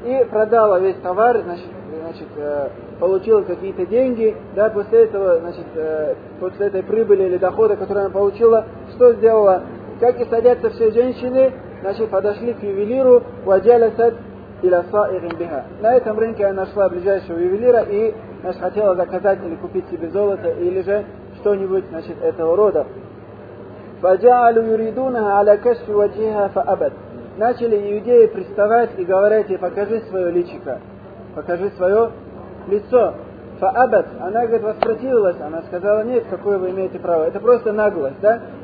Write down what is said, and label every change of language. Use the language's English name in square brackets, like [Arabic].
[Russian] И продала весь товар, значит, получила какие-то деньги, да, после этого, значит, после этой прибыли или дохода, который она получила, что сделала? Как и садятся все женщины, значит, подошли к ювелиру, [Arabic] وجلست إلى سائق بها. [Russian] На этом рынке она нашла ближайшего ювелира и, значит, хотела заказать или купить себе золото или же что-нибудь, значит, этого рода. [Arabic] فجعلوا يريدونها على كشف وجهها فأبت. [Russian] Начали иудеи приставать и говорить ей: покажи свое личико, покажи свое лицо. Фаабат, она, говорит, воспротивилась, она сказала: нет, какое вы имеете право, это просто наглость, да?